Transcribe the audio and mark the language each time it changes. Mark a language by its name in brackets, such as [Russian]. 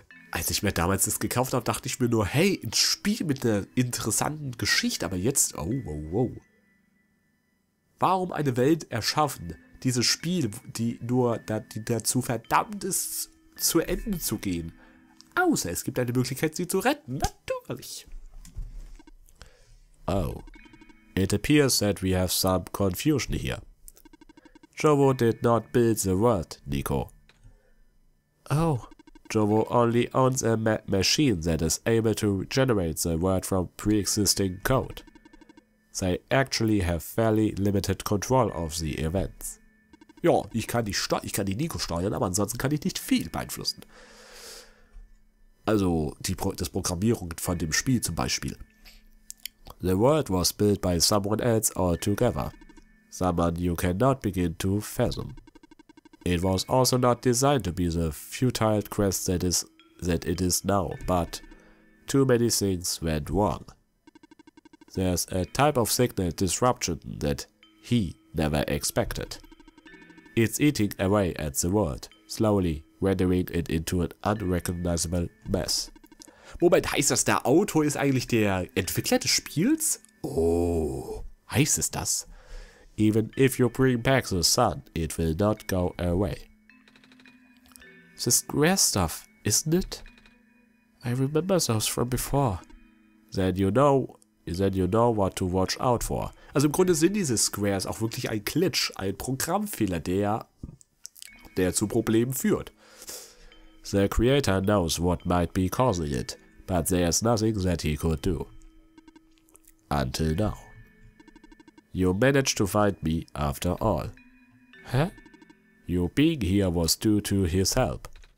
[German] Als ich mir damals das gekauft habe, dachte ich mir nur, hey, ein Spiel mit einer interessanten Geschichte, aber jetzt, oh. Warum eine Welt erschaffen, dieses Spiel, die dazu verdammt ist, zu Ende zu gehen? Außer es gibt eine Möglichkeit, sie zu retten, natürlich. [English] Oh, it appears that we have some confusion here. Shovo did not build the world, Nico. Oh. Shovo only owns a machine that is able to generate the world from pre-existing code. They actually have fairly limited control of the events. [German] Ja, ich kann die Nico steuern, aber ansonsten kann ich nicht viel beeinflussen. Also, das Programmierung von dem Spiel zum Beispiel. [English] The world was built by someone else altogether. Someone you cannot begin to fathom. It was also not designed to be the futile quest that it is now, but too many things went wrong. There's a type of signal disruption that he never expected. It's eating away at the world, slowly rendering it into an unrecognizable mess. [German] Moment, heißt das, der Autor ist eigentlich der Entwickler des Spiels? Oh, heißt es das? [English] Even if you bring back the sun, it will not go away. This square stuff, isn't it? I remember those from before. Then you know what to watch out for. [German] Also im Grunde sind diese Squares auch wirklich ein Glitch, ein Programmfehler, der zu Problemen führt. [English] The creator knows what might be causing it, but there is nothing that he could do. Until now. You managed to find me after all. Huh? Your being here was due to his help.